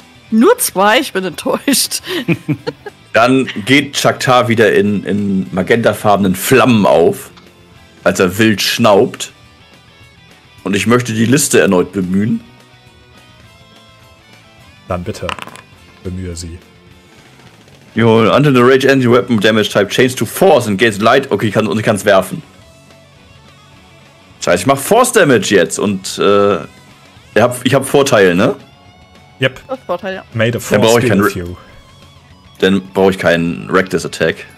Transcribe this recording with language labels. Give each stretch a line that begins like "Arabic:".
German: Nur 2? Ich bin enttäuscht. Dann geht Chakta wieder in magentafarbenen Flammen auf, als er wild schnaubt. Und ich möchte die Liste erneut bemühen. Dann bitte, bemühe sie.
English: Jo, until the rage ends, your weapon damage type changes to force and gains light.
German: Okay, ich kann, und ich kann es werfen. Scheiße, ich mach force damage jetzt und ich hab Vorteil, ne?
English: Yep.
German: Das Vorteil, ja.
English: May the force be with you.
German: Dann brauche ich keinen Reckless Attack.